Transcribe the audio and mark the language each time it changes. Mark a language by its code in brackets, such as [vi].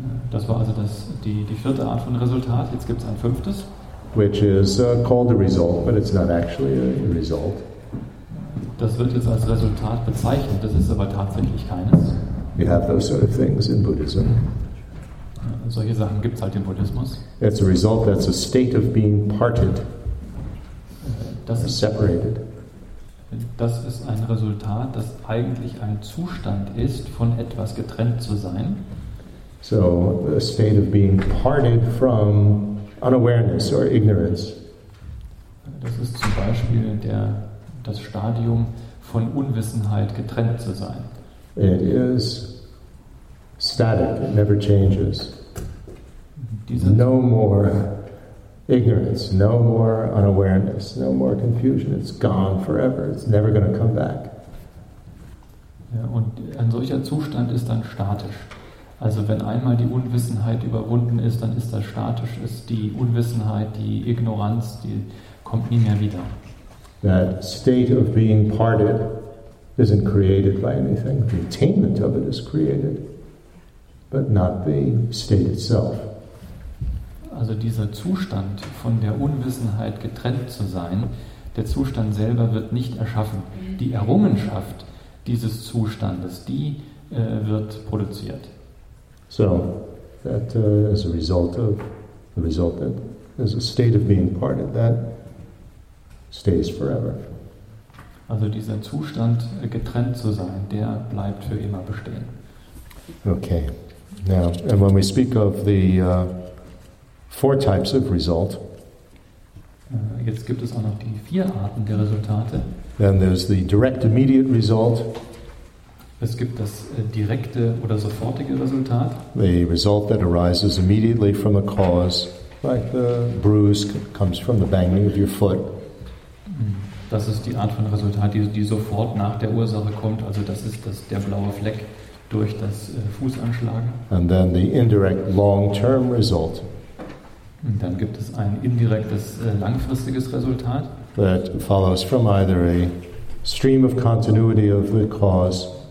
[de] Das war also die vierte Art von Resultat. Jetzt gibt's ein fünftes. [en] Which is called a result, but it's not actually a result. [de] Das wird jetzt als Resultat bezeichnet, das ist aber tatsächlich keines. [en] You have those sort of things in Buddhism. [de] Solche Sachen gibt's halt im Buddhismus. [en] It's a result, that's a state of being parted. Separated. [de] Das ist ein Resultat, das eigentlich ein Zustand ist, von etwas getrennt zu sein. [en] So, a state of being parted from unawareness or ignorance. [de] Das ist zum Beispiel das Stadium von Unwissenheit, getrennt zu sein. [en] It is static, it never changes. No more ignorance, no more unawareness, no more confusion. It's gone forever. It's never going to come back. [de] Ja, und ein solcher Zustand ist dann statisch. Also wenn einmal die Unwissenheit überwunden ist, dann ist das statisch. Ist die Unwissenheit, die Ignoranz, die kommt nie mehr wieder. [en] That state of being parted isn't created by anything. The attainment of it is created, but not the state itself. [de] Also dieser Zustand von der Unwissenheit getrennt zu sein, der Zustand selber wird nicht erschaffen. Die Errungenschaft dieses Zustandes, die wird produziert. [en] So, that is a result of the result that is a state of being parted that stays forever. [de] Also dieser Zustand getrennt zu sein, der bleibt für immer bestehen. [en] Okay. Now, and when we speak of the four types of result. [de] Jetzt gibt es auch noch die vier Arten der Resultate. [en] Then there's the direct immediate result. [de] Es gibt das direkte oder sofortige Resultat. [en] The result that arises immediately from a cause, like the bruise comes from the banging of your foot. [de] Das ist die Art von Resultat, die sofort nach der Ursache kommt. Also das ist der blaue Fleck durch das Fußanschlagen. [en] And then the indirect long-term result. [de] Und dann gibt es ein indirektes, langfristiges Resultat. [en] That follows from either a stream of continuity of the cause.